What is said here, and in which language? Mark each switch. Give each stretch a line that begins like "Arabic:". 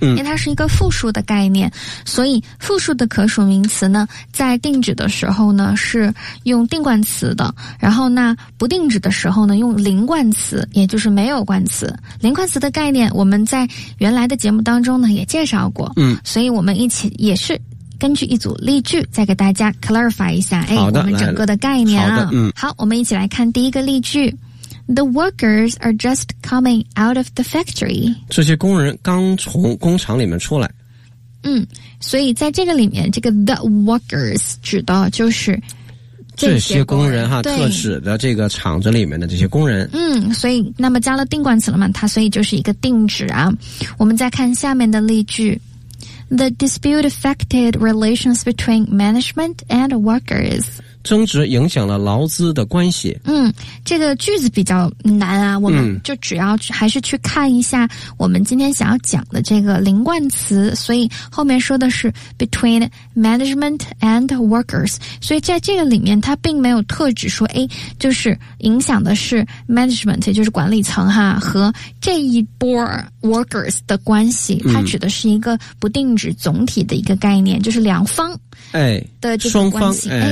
Chinese: 因为它是一个复数的概念，所以复数的可数名词呢，在定指的时候呢是用定冠词的，然后那不定指的时候呢用零冠词，也就是没有冠词。零冠词的概念我们在原来的节目当中呢也介绍过。所以我们一起也是根据一组例句再给大家 clarify 一下我们整个的概念啊。好，我们一起来看第一个例句。
English: The workers are just coming out of the factory.
Chinese: 这些工人刚从工厂里面出来。所以在这个里面，这个 the workers 指的就是这些工人哈，特指的这个厂子里面的这些工人。所以那么加了定冠词了嘛，它所以就是一个定指啊。我们再看下面的例句。
English: The dispute affected relations between management and workers.
Chinese: 争执影响了劳资的关系。这个句子比较难啊，我们就只要还是去看一下我们今天想要讲的这个零冠词，所以后面说的是
English: between management and workers.
Chinese: 所以在这个里面它并没有特指说就是影响的是 management， 也就是管理层哈，和这一波workers 的关系，它指的是一个不定指总体的一个概念，就是两方的这个关系。